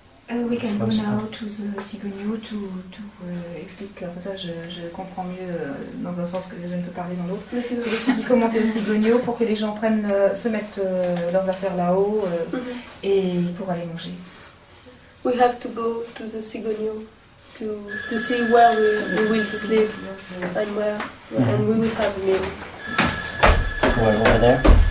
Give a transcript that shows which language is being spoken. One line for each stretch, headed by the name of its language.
English: We can go now to the Cigogno to explique.
French: Enfin, ça, je comprends mieux dans un sens que je ne peux parler dans l'autre. Il faut monter au Cigogno pour que les gens se mettent leurs affaires là-haut et pour aller manger.
English: We have to go to the Cigogno to see where we will sleep and where and we will have meal. Over there.